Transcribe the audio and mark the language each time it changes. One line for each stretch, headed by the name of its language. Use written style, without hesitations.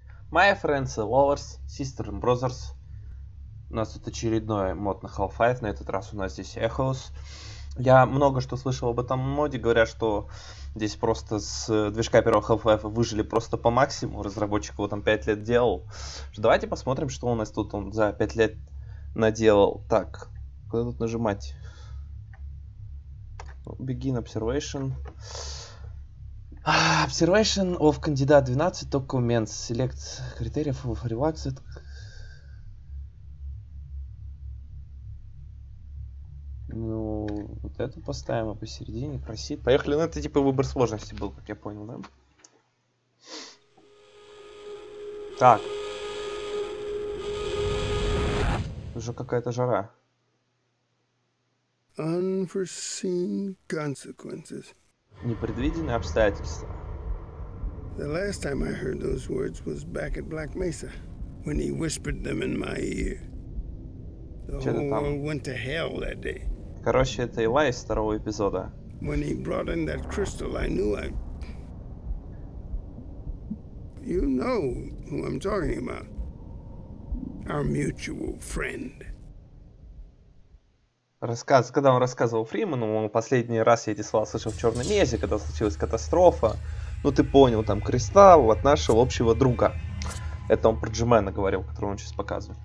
English: My friends, lovers, sisters and brothers.
Russian: У нас тут очередной мод на Half-Life. На этот раз у нас здесь Echoes. Я много что слышал об этом моде. Говорят, что здесь просто с движка первого Half-Life выжили просто по максимуму. Разработчик его там 5 лет делал. Давайте посмотрим, что у нас тут он за 5 лет наделал. Так, куда тут нажимать?
English: Begin observation. Observation of candidate 12 documents. Select criteria for relaxed.
Russian: Ну, вот эту поставим посередине, просит. Поехали, ну это типа выбор сложности был, как я понял, да? Так. Уже какая-то жара.
English: Unforeseen consequences.
Russian: Непредвиденные обстоятельства.
English: The last time I heard those words was back at Black Mesa, when he whispered them in my ear. The whole world went to hell that day.
Russian: Короче, это Элай из второго эпизода.
English: When he brought in that crystal, I knew I... You know who I'm talking about. Our mutual friend.
Russian: Рассказ, когда он рассказывал Фриману, он последний раз я эти слова слышал в Черном Мезе, когда случилась катастрофа. Ну ты понял, там кристалл от нашего общего друга. Это он про Джимена говорил, которого он сейчас показывает.